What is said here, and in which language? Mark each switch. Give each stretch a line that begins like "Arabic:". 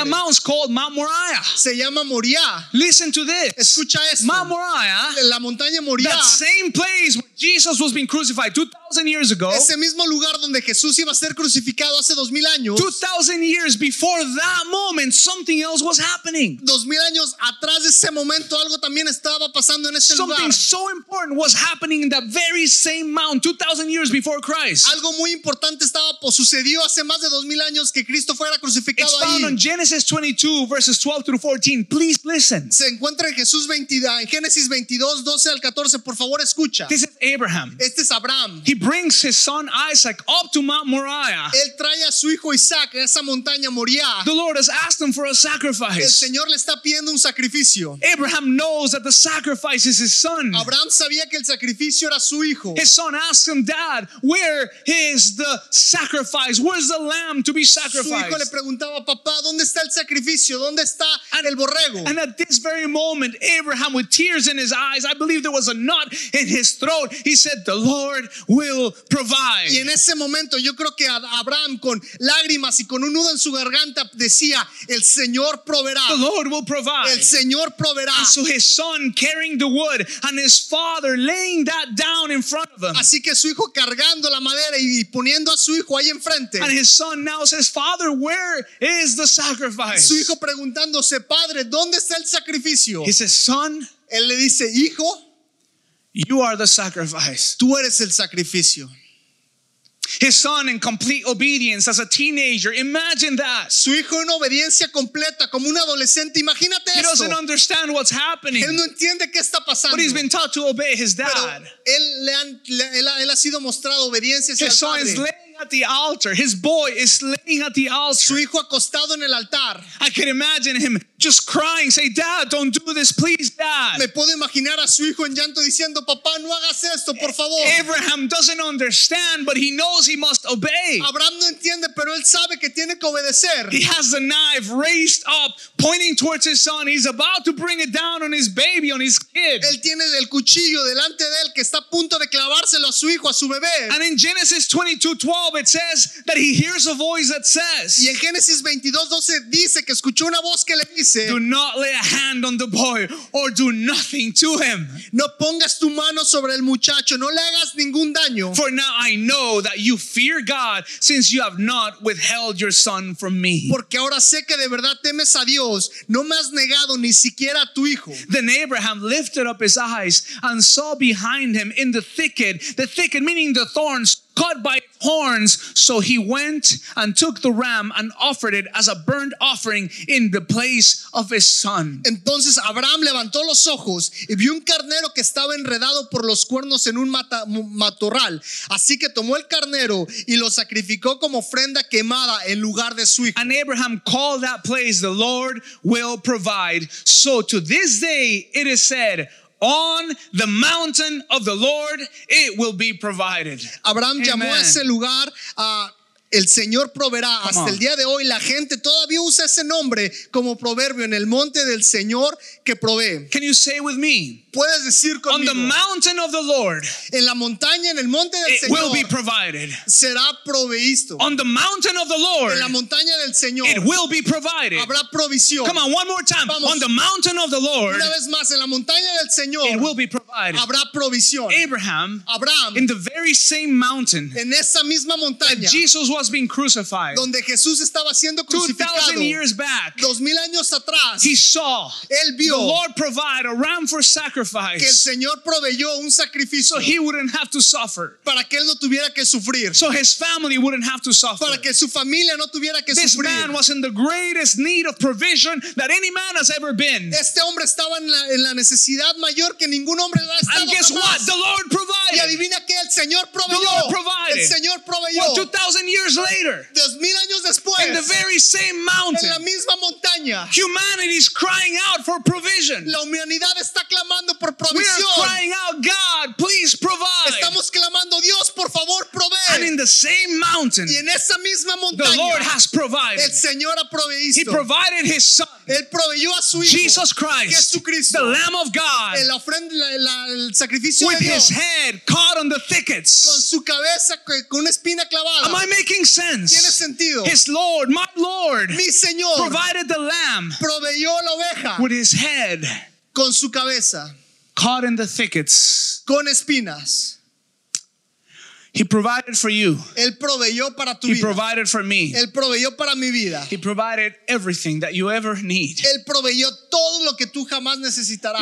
English: That mountain's called Mount Moriah.
Spanish: Se llama Moriah.
English: Listen to this.
Spanish: Escucha esto.
English: Mount Moriah,
Spanish: la montaña Moriah,
English: that same place where Jesus was being crucified 2,000 years ago.
Spanish: Ese mismo lugar donde Jesús iba a ser crucificado hace 2,000 años.
English: 2,000 years before that moment, something else was happening.
Spanish: 2,000 años atrás de ese momento, algo también estaba pasando en ese
English: something
Spanish: lugar.
English: Something so important was happening in that very same mountain 2,000 years before Christ.
Spanish: Algo muy importante estaba por sucedió hace más de 2,000 años que Cristo fuera crucificado ahí.
English: It's found
Spanish: ahí.
English: On Genesis 22 verses 12 through 14. Please listen.
Spanish: Se encuentra en Jesús 22, en Génesis 22, 12 al 14. Por favor, escucha.
English: This is Abraham.
Spanish: Este es Abraham.
English: He brings his son Isaac up to Mount Moriah.
Spanish: Él trae a su hijo Isaac a esa montaña Moriah.
English: The Lord has asked him for a sacrifice.
Spanish: El Señor le está pidiendo un sacrificio.
English: Abraham knows that the sacrifice is his son.
Spanish: Abraham sabía que el sacrificio era su hijo.
English: His son asks him, Dad, where is the sacrifice? Where's the lamb to be sacrificed?
Spanish: Su hijo le preguntaba, papá, ¿dónde está el sacrificio? ¿Dónde está el borrego?
English: And at this very moment, Abraham, with tears in his eyes, I believe there was a knot in his throat, he said, the Lord will provide.
Spanish: Y en ese momento, yo creo que Abraham, con lágrimas y con un nudo en su garganta, decía, el Señor proveerá.
English: The Lord will provide.
Spanish: El Señor proveerá.
English: And so his son carrying the wood and his father laying that down in front of him.
Spanish: Así que su hijo cargando la madera y poniendo a su hijo ahí enfrente.
English: And his son now says, Father, where is the sacrifice?
Spanish: Su hijo preguntándose, Padre, ¿dónde está el sacrificio?
English: He says, Son,
Spanish: él le dice, hijo,
English: you are the sacrifice.
Spanish: Tú eres el sacrificio.
English: His son in complete obedience as a teenager. Imagine that.
Spanish: Su hijo en obediencia completa como un adolescente. Imagínate esto.
English: He doesn't understand what's happening.
Spanish: Él no entiende qué está pasando.
English: But he's been taught to obey his dad.
Spanish: Él ha sido mostrado obediencia hacia el padre.
English: His son is laying at the altar. His boy is laying at the altar.
Spanish: Su hijo acostado en el altar.
English: I can imagine him just crying, say, Dad, don't do this, please, Dad.
Spanish: Me puedo imaginar a su hijo en llanto diciendo, papá, no hagas esto, por favor.
English: Abraham doesn't understand, but he knows he must obey.
Spanish: Abraham no entiende, pero él sabe que tiene que obedecer.
English: He has the knife raised up, pointing towards his son. He's about to bring it down on his baby, on his kid.
Spanish: Él tiene el cuchillo delante de él que está a punto de clavárselo a su hijo, a su bebé.
English: And in Genesis 22:12, it says that he hears a voice that says.
Spanish: Y en Génesis 22:12 dice que escuchó una voz que le
English: Do not lay a hand on the boy or do nothing to him.
Spanish: No pongas tu mano sobre el muchacho, no le hagas ningún daño.
English: For now I know that you fear God since you have not withheld your son from me.
Spanish: Porque ahora sé que de verdad temes a Dios, no me has negado ni siquiera a tu hijo.
English: Then Abraham lifted up his eyes and saw behind him in the thicket meaning the thorns, cut by horns, so he went and took the ram and offered it as a burnt offering in the place of his son.
Spanish: Entonces Abraham levantó los ojos y vio un carnero que estaba enredado por los cuernos en un matorral. Así que tomó el carnero y lo sacrificó como ofrenda quemada en lugar de su hijo.
English: And Abraham called that place, the Lord will provide. So to this day it is said, On the mountain of the Lord, it will be provided.
Spanish: Abraham llamó a ese lugar a El Señor proveerá. Come hasta on. El día de hoy la gente todavía usa ese nombre como proverbio en el monte del Señor que provee.
English: Can you say with me?
Spanish: Puedes decir conmigo.
English: On the mountain of the Lord.
Spanish: En la montaña, en el monte del
English: it
Spanish: Señor.
English: It will be provided.
Spanish: Será proveído.
English: On the mountain of the Lord.
Spanish: En la montaña del Señor.
English: It will be provided.
Spanish: Habrá provisión.
English: Come on, one more time.
Spanish: Vamos.
English: On the mountain of the Lord.
Spanish: Una vez más, en la montaña del Señor.
English: It will be provided.
Spanish: Habrá provisión.
English: Abraham.
Spanish: Abraham.
English: In the very same mountain.
Spanish: En esa misma montaña.
English: Jesus was being crucified.
Spanish: Donde Jesús estaba siendo crucificado.
English: 2,000 years back.
Spanish: 2,000 años atrás.
English: He saw.
Spanish: Él vio.
English: The Lord provide a ram for sacrifice.
Spanish: Que el Señor proveyó un sacrificio.
English: So he wouldn't have to suffer.
Spanish: Para que él no tuviera que sufrir.
English: So his family wouldn't have to suffer.
Spanish: Para que su familia no tuviera que
English: this
Spanish: sufrir.
English: This man was in the greatest need of provision that any man has ever been.
Spanish: Este hombre estaba en la necesidad mayor que ningún hombre ha estado.
English: And guess
Spanish: jamás.
English: What? The Lord provided.
Spanish: Y adivina qué, el Señor proveyó.
English: The Lord provided.
Spanish: El Señor proveyó.
English: Well, 2,000 years later,
Spanish: 2,000 años después,
English: in the very same mountain,
Spanish: en la misma montaña,
English: humanity is crying out for provision.
Spanish: La humanidad está clamando por provisión.
English: We are crying out, God, please provide.
Spanish: Estamos clamando, Dios, por favor, provee.
English: And in the same mountain,
Spanish: y en esa misma montaña,
English: the Lord has provided.
Spanish: El Señor ha proveído.
English: He provided His Son.
Spanish: Él proveyó a su hijo,
English: Jesus Christ,
Spanish: Jesucristo,
English: the Lamb of God,
Spanish: el ofrenda, el sacrificio
English: with
Spanish: de Dios,
English: His head caught on the thickets.
Spanish: Con su cabeza con una espina clavada.
English: Am I making sense?
Spanish: ¿Tiene sentido?
English: His Lord, my Lord,
Spanish: mi Señor,
English: provided the lamb,
Spanish: proveyó la oveja,
English: with His head,
Spanish: con su cabeza,
English: caught in the thickets,
Spanish: con espinas.
English: He provided for you.
Spanish: Él proveyó para tu
English: he
Spanish: vida.
English: Provided for me.
Spanish: Él proveyó para mi vida.
English: He provided everything that you ever need.
Spanish: Él proveyó todo lo que tú jamás necesitarás.